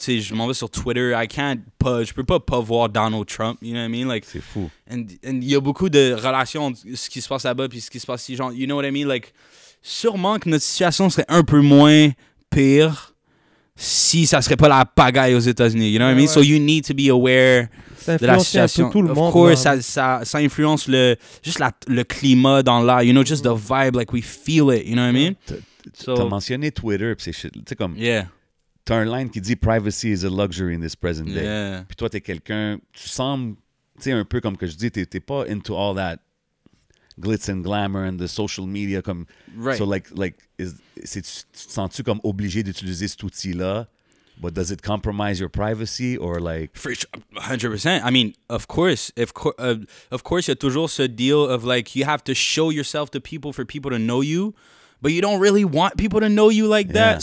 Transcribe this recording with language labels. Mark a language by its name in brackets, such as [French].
[French] Tu sais, je m'en vais sur Twitter. Je peux pas voir Donald Trump. [English] You know what I mean? Like, [French] c'est fou. And y a beaucoup de relations, ce qui se passe là-bas, puis ce qui se passe ici. Genre, [English] you know what I mean? [French] Like, sûrement que notre situation serait un peu moins pire si ça serait pas la pagaille aux États-Unis. [English] You know what I mean? Ouais. So, you need to be aware [French] de la situation. Tout le monde. [English] Of course, [French] ça influence le climat dans l'air. [English] You know, just the vibe. Like, we feel it. You know what I mean? [French] T'as mentionné Twitter, pis c'est shit. T'sais, comme. [English] Yeah. [French] T'as un line qui dit [English] privacy is a luxury in this present day. Yeah. [French] Pis toi, t'es quelqu'un. Tu sembles. Tu sais, un peu comme que je dis, t'es pas [English] into all that glitz and glamour and the social media. [French] Comme, [English] right. [French] So, tu te sens-tu comme obligé d'utiliser cet outil-là? [English] But does it compromise your privacy or like. 100%. I mean, of course. Of course, [French] y'a toujours ce [English] deal of like, you have to show yourself to people for people to know you. But you don't really want people to know you like that.